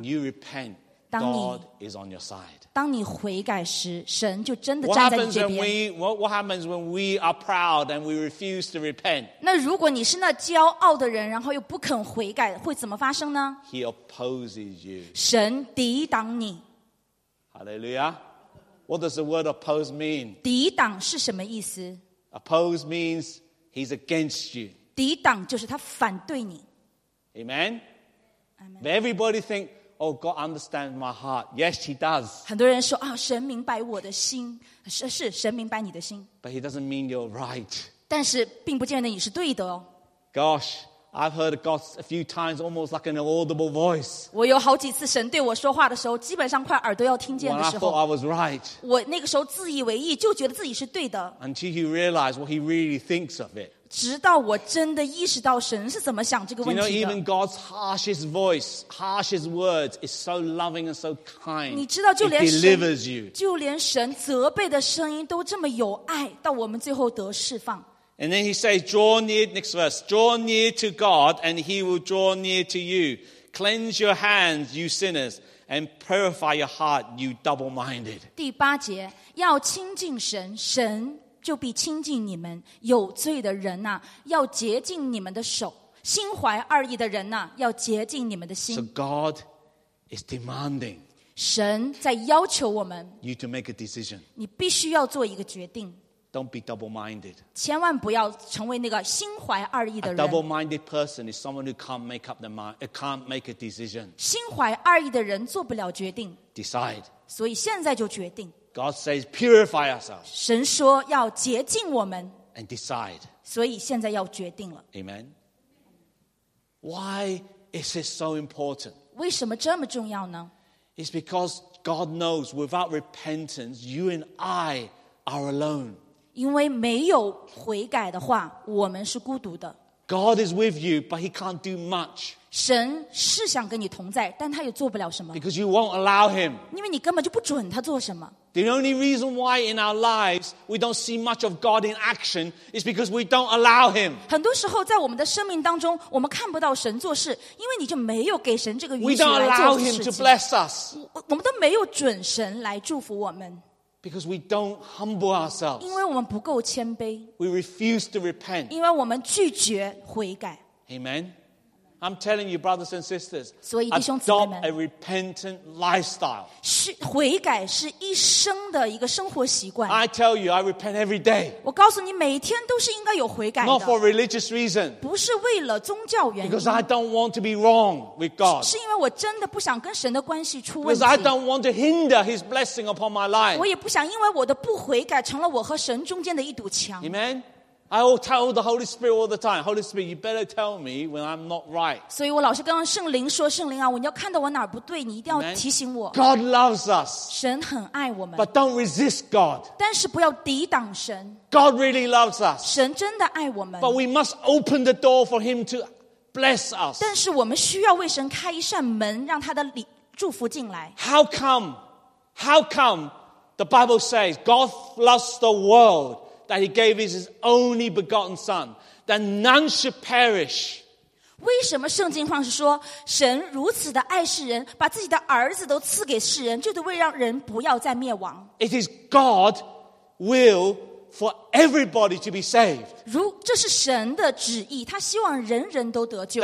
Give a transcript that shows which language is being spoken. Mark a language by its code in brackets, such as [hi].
[en] When you repent, God is on your side. [zh] 当你悔改时，神就真的站在你这边。 [en] What happens when we are proud and we refuse to repent? [zh] 那如果你是那骄傲的人，然后又不肯悔改，会怎么发生呢？ [en] He opposes you. [zh] 神抵挡你。 [en] Hallelujah. What does the word oppose mean? [zh] 抵挡是什么意思？ [en] Oppose means he's against you. [zh] 抵挡就是他反对你。 [en] Amen. But everybody think. Oh, God understands my heart. Yes, He does. [zh] 很多人说啊，神明白我的心，是神明白你的心。 [en] But He doesn't mean you're right. [zh] 但是并不见得你是对的哦。 [en] Gosh, I've heard God a few times, almost like an audible voice. [zh] 我有好几次神对我说话的时候，基本上快耳朵要听见的时候。 [en] When I thought I was right. [zh] 我那个时候自以为意，就觉得自己是对的。 [en] Until you realize what He really thinks of it. [zh] 直到我真的意识到神是怎么想这个问题的。 [en] You know, even God's harshest voice, harshest words is so loving and so kind. [zh] 你知道，就连神 [en] It delivers you. [zh] 就连神责备的声音都这么有爱，到我们最后得释放。 [en] And then He says, "Draw near." Next verse, "Draw near to God, and He will draw near to you. Cleanse your hands, you sinners, and purify your heart, you double-minded." [zh] 第八节，要亲近神，神。就必亲近你们有罪的人呐、啊，要洁净你们的手；心怀二意的人呐、啊，要洁净你们的心。 [en] So God is demanding. [zh] 神在要求我们。 [en] You to make a decision. [zh] 你必须要做一个决定。 [en] Don't be double-minded. [zh] 千万不要成为那个心怀二意的人。 [en] A double-minded person is someone who can't make up their mind. Can't make a decision. [zh] 心怀二意的人做不了决定。 [en] Decide. [zh] 所以现在就决定。 [en] God says, "Purify ourselves." [zh] 神说要洁净我们。 [en] And decide. [zh] 所以现在要决定了。 [en] Amen. Why is this so important? [zh] 为什么这么重要呢？ [en] It's because God knows without repentance, you and I are alone. [zh] 因为没有悔改的话，我们是孤独的。 [en] God is with you, but He can't do much. [zh] 神是想跟你同在，但他也做不了什么。 [en] Because you won't allow Him. [zh] 因为你根本就不准他做什么。 [en] The only reason why in our lives we don't see much of God in action is because we don't allow Him. [zh] 很多时候在我们的生命当中，我们看不到神做事，因为你就没有给神这个允许来做事情。 [en] We don't allow Him to bless us. [zh] 我们都没有准神来祝福我们。 [en] Because we don't humble ourselves. [zh] 因为我们不够谦卑。 [en] We refuse to repent. [zh] 因为我们拒绝悔改。 [en] Amen. I'm telling you, brothers and sisters, [zh] 所以弟兄姊妹们, [en] adopt a repentant lifestyle. [zh] 悔改是一生的一个生活习惯。 [en] I tell you, I repent every day. [zh] 我告诉你，每天都是应该有悔改的。 [en] Not for religious reason. [zh] 不是为了宗教原因。 [en] Because I don't want to be wrong with God. [zh] 是因为我真的不想跟神的关系出问题。 [en] Because I don't want to hinder His blessing upon my life. [zh] 我也不想因为我的不悔改成了我和神中间的一堵墙。 [en] Amen. I will tell the Holy Spirit all the time, Holy Spirit, you better tell me when I'm not right. [zh] 所以我老是跟圣灵说，圣灵啊，你要看到我哪儿不对，你一定要提醒我。 [en] God loves us. [zh] 神很爱我们。 [en] But don't resist God. [zh] 但是不要抵挡神。 [en] God really loves us. [zh] 神真的爱我们。 [en] But we must open the door for Him to bless us. [zh] 但是我们需要为神开一扇门，让他的祝福进来。 [en] How come? How come? The Bible says God loves the world. That he gave his only begotten son, that none should perish. [zh] 为什么圣经上是说神如此的爱世人，把自己的儿子都赐给世人，就是为让人不要再灭亡。 [en] It is God's will for everybody to be saved. [zh] 如这是神的旨意，他希望人人都得救。